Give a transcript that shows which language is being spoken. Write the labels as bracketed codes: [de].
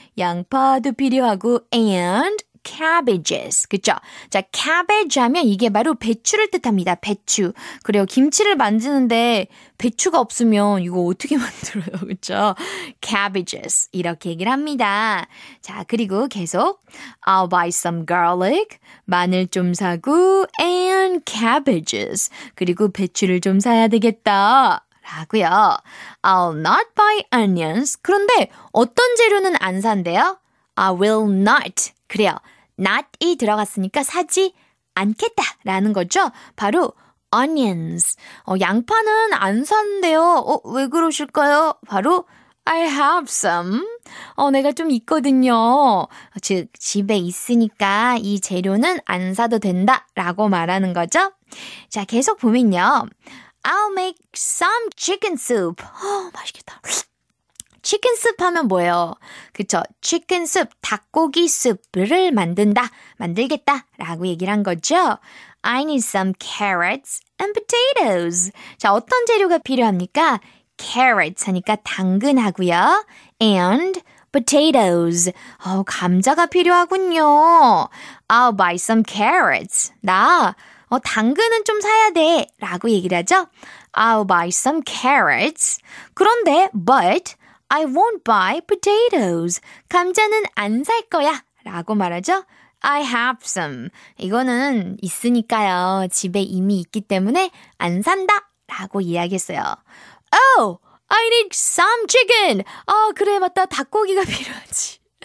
[ko] 양파도 필요하고 [en] and cabbages. [ko] 그렇죠? 자, cabbage 하면 이게 바로 배추를 뜻합니다. 배추. 그래요. 김치를 만드는데 배추가 없으면 이거 어떻게 만들어요? 그렇죠? cabbages 이렇게 얘기를 합니다. 자, 그리고 계속 [en] I'll buy some garlic. [ko] 마늘 좀 사고 [en] and cabbages. [ko] 그리고 배추를 좀 사야 되겠다. 라고요. [en] I'll not buy onions. [ko] 그런데 어떤 재료는 안 산대요? [en] I will not. [ko] 그래요. not이 들어갔으니까 사지 않겠다 라는 거죠. 바로 onions. 양파는 안 산대요. 왜 그러실까요? 바로 [en] I have some. [ko] 내가 좀 있거든요. 즉 집에 있으니까 이 재료는 안 사도 된다 라고 말하는 거죠. 자, 계속 보면요. [en] I'll make some chicken soup. [ko] 맛있겠다. 치킨 수프 하면 뭐예요? 그쵸? 치킨 수프, 닭고기 수프를 만든다, 만들겠다 라고 얘기를 한 거죠. [en] I need some carrots and potatoes. [ko] 자, 어떤 재료가 필요합니까? carrots 하니까 당근 하고요. [en] and potatoes. [ko] 감자가 필요하군요. [en] I'll buy some carrots. [ko] 나 당근은 좀 사야 돼 라고 얘기를 하죠. [en] I'll buy some carrots. [ko] 그런데 [en] but I won't buy potatoes. [ko] 감자는 안 살 거야 라고 말하죠. [en] I have some. [ko] 이거는 있으니까요. 집에 이미 있기 때문에 안 산다 라고 이야기했어요. [en] Oh, I need some chicken. [ko] 그래 맞다. 닭고기가 필요하지.